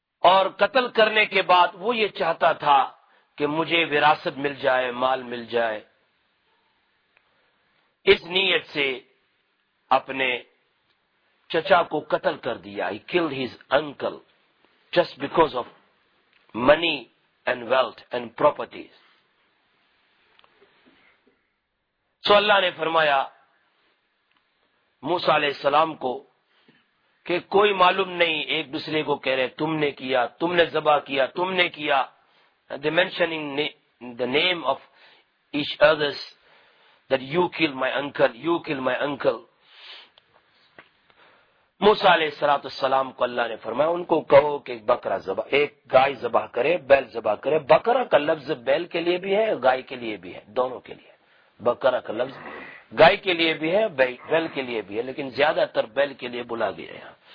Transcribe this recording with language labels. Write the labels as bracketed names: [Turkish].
[Urdu] اور قتل کرنے کے بعد وہ یہ چاہتا تھا کہ مجھے وراثت مل جائے، مال مل جائے، اس نیت سے اپنے چچا کو قتل کر دیا. [English] He killed his uncle just because of money and wealth and properties. [Urdu] سو اللہ نے فرمایا موسیٰ علیہ السلام کو کہ کوئی معلوم نہیں، ایک دوسرے کو کہہ رہے تم نے کیا، تم نے ذبح کیا، تم نے کیا. [English] They mentioning the name of each others that you killed my uncle, you killed my uncle. [Urdu] موسیٰ علیہ الصلوۃ والسلام کو اللہ نے فرمایا ان کو کہو کہ بکرا ذبح، ایک گائے ذبح کرے، بیل ذبح کرے. بکرا کا لفظ بیل کے لیے بھی ہے، گائے کے لیے بھی ہے، دونوں کے لیے. بکرا کا لفظ گائے کے لیے بھی ہے، بیل کے لیے بھی ہے، لیکن زیادہ تر بیل کے لیے بلا گیا ہے.